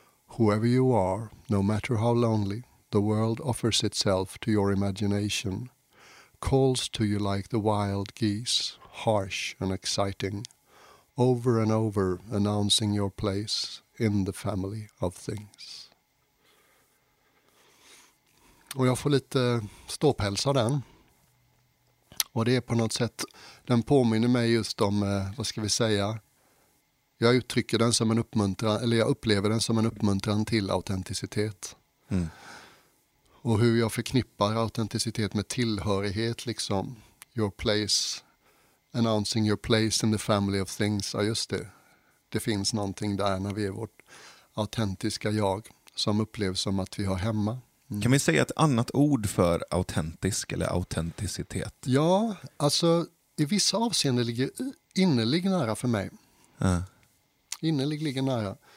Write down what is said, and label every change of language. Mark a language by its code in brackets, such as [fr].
[en] Whoever you are, no matter how lonely, the world offers itself to your imagination, calls to you like the wild geese, harsh and exciting, over and over announcing your place in the family of things. [sv] Och jag får lite ståpäls av den. Och det är på något sätt, den påminner mig just om, vad ska vi säga, jag uttrycker den som en uppmuntran, eller jag upplever den som en uppmuntran till autenticitet. Mm. Och hur jag förknippar autenticitet med tillhörighet, liksom. [en] Your place, announcing your place in the family of things. [sv] Ja, just det. Det finns någonting där när vi är vårt autentiska jag som upplevs som att vi har hemma. Mm. Kan vi säga ett annat ord för autentisk eller autenticitet? Ja, alltså i vissa avseenden ligger innerlig nära för mig. Innerlig ligger nära.